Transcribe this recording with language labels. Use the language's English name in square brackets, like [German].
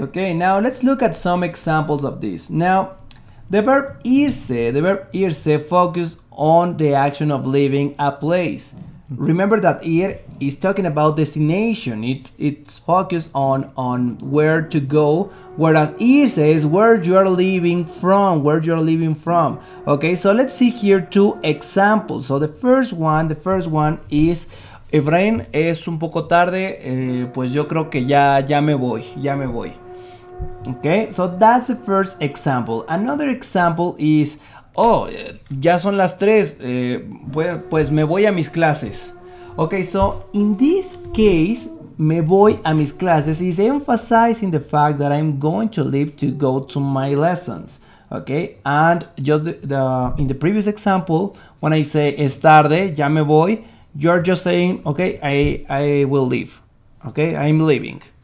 [English] Okay, now let's look at some examples of this. Now, the verb irse focuses on the action of leaving a place. Remember that ir is talking about destination. It's focused on where to go, whereas irse is where you are leaving from. Okay, so let's see here two examples. So the first one is [Spanish] Efraín, es un poco tarde, pues yo creo que ya me voy. [English] Okay, so that's the first example. Another example is, oh, [Spanish] ya son las 3, pues me voy a mis clases. [English] Okay, so in this case, [Spanish] me voy a mis clases [English] is emphasizing the fact that I'm going to leave to go to my lessons. Okay, and just the in the previous example, when I say [Spanish] es tarde, ya me voy, [English] you're just saying, okay, I will leave. Okay, I'm leaving.